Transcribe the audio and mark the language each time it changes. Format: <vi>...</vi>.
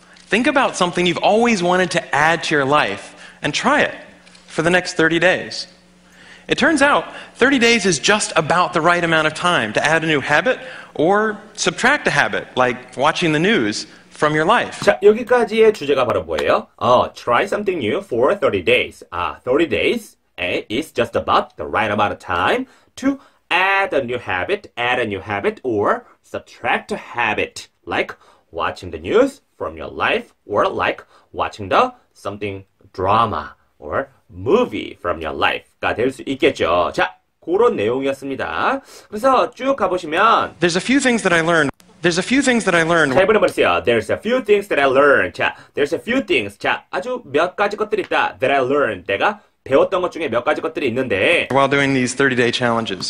<en>Think about something you've always wanted to add to your life and try it for the next 30 days. It turns out 30 days is just about the right amount of time to add a new habit or subtract a habit, like watching the news, from your life.</en> <ko>자, 여기까지의 주제가 바로 뭐예요?</ko> <en>Try something new for 30 days. 30 days is just about the right amount of time to add a new habit, or subtract a habit, like watching the news from your life, or like watching the something drama, or movie from your life</en> <ko>가 될 수 있겠죠. 자, 그런 내용이었습니다. 그래서 쭉 가보시면</ko> <en>There's a few things that I learned.</en> <ko>잘 보내버렸어요.</ko> <en>There's a few things that I learned.</en> <ko>자,</ko> <en>there's a few things.</en> <ko>자, 아주 몇 가지 것들이 있다.</ko> <en>That I learned.</en> <ko>내가 배웠던 것 중에 몇 가지 것들이 있는데.</ko> <en>While doing these 30-day challenges.</en>